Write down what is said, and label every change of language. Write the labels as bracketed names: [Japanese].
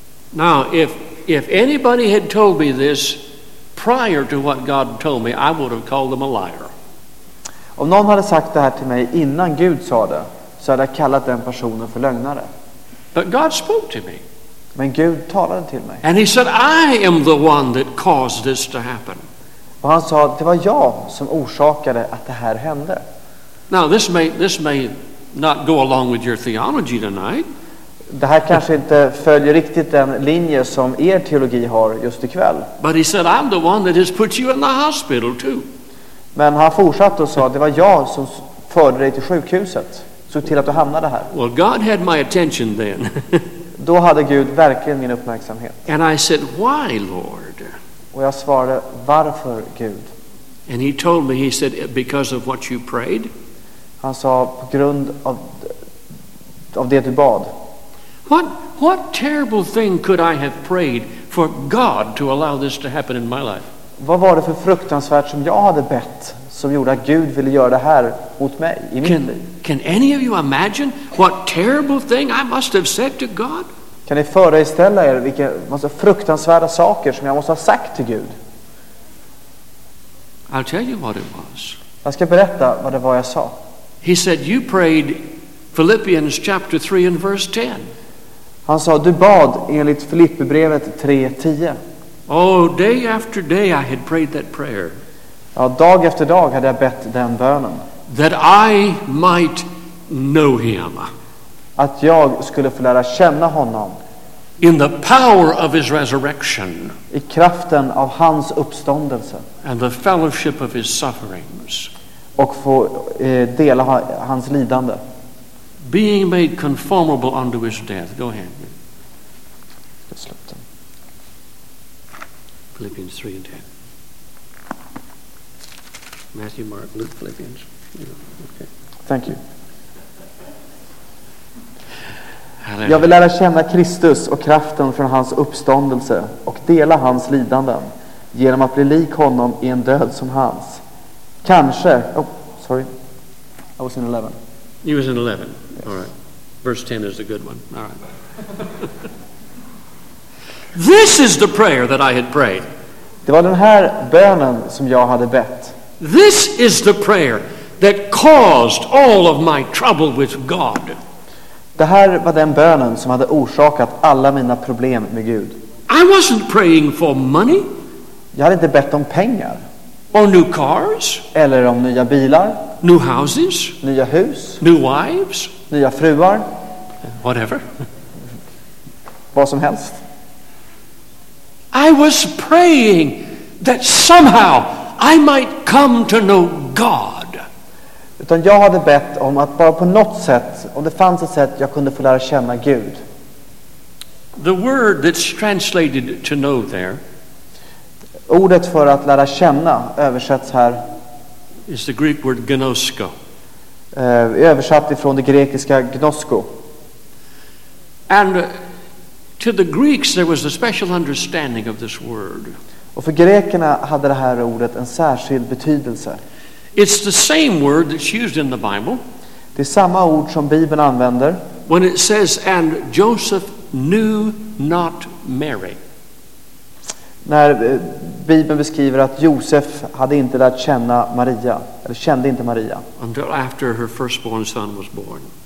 [English] Now, if anybody had told me this prior to what God told me, I would have called them a liar. [Swedish] Om någon hade sagt det här till mig innan Gud sa det, så hade jag kallat den personen för lögnare. [English] But God spoke to me. [Swedish] Men Gud talade till mig. [English] And he said, "I am the one that caused this to happen." [Swedish] Och han sa, det var jag som orsakade att det här hände. [English] Now, this may not go along with your theology tonight. [Swedish] Det här kanske inte följer riktigt den linje som er teologi har just ikväll. [English] But he said, "I'm the one that has put you in the hospital too." [Swedish] Men han fortsatte och sa, det var jag som förde dig till sjukhuset. Såg till att du hamnade här. [English] Well, God had my attention then. [Swedish] Då hade Gud verkligen min uppmärksamhet. [English] And I said, "Why, Lord?" [Swedish] Och jag svarade, varför Gud? [English] And he told me, he said, "Because of what you prayed." [Swedish] Han sa, på grund av det du bad. [English] What terrible thing could I have prayed for God to allow this to happen in my life? [Swedish] Vad var det för fruktansvärt som jag hade bett som gjorde att Gud ville göra det här mot mig i mitt liv? [English] Can any of you imagine what terrible thing I must have said to God? [Swedish] Kan ni föreställa er vilka massa fruktansvärda saker som jag måste ha sagt till Gud? [English] I'll tell you what it was. [Swedish] Jag ska berätta vad det var jag sa. [English] He said, "You prayed Philippians chapter 3 and verse 10. [Swedish] Han sa, du bad enligt Filipperbrevet 3:10. [English] Oh, day after day I had prayed that prayer. [Swedish] Ja, dag efter dag hade jag bett den bönen. [English] That I might know him. [Swedish] Att jag skulle få lära känna honom. [English] In the power of his resurrection. [Swedish] I kraften av hans uppståndelse. [English] And the fellowship of his sufferings. [Swedish] Och få dela hans lidande. [English] Being made conformable unto his death. Go ahead. Philippians 3:10. Matthew, Mark, Luke, Philippians. Okay. Thank you. [Swedish] Jag vill lära känna Kristus och kraften från hans uppståndelse och dela hans lidanden genom att bli lik honom i en död som hans. Kanske. [English] Oh, sorry. I was in 11. He was in 11. Yes. All right. Verse 10 is a good one. All right. This is the prayer that I had prayed. [Swedish] Det var den här bönen som jag hade bett. [English] This is the prayer that caused all of my trouble with God. [Swedish] Det här var den bönen som hade orsakat alla mina problem med Gud. [English] I wasn't praying for money. [Swedish] Jag hade inte bett om pengar. [English] Or new cars. [Swedish] Eller om nya bilar. [English] New houses. [Swedish] Nya hus. [English] New wives. [Swedish] Nya fruar. [English] Whatever. [Swedish] Vad som helst. [English] I was praying that somehow I might come to know God. [Swedish] Utan jag hade bett om att bara på något sätt, om det fanns ett sätt jag kunde få lära känna Gud. [English] The word that's translated to know there. [Swedish] Ordet för att lära känna översätts här [English] is the Greek word gnosko. [Swedish] Översatt ifrån det grekiska gnosko. [English] And to the Greeks there was a special understanding of this word. [Swedish] Och för grekerna hade det här ordet en särskild betydelse. [English] It's the same word that's used in the Bible. [Swedish] Det är samma ord som Bibeln använder. [English] When it says and Joseph knew not Mary. [Swedish] När Bibeln beskriver att Josef hade inte lärt känna Maria, eller kände inte Maria. [English] Until after her firstborn son was born.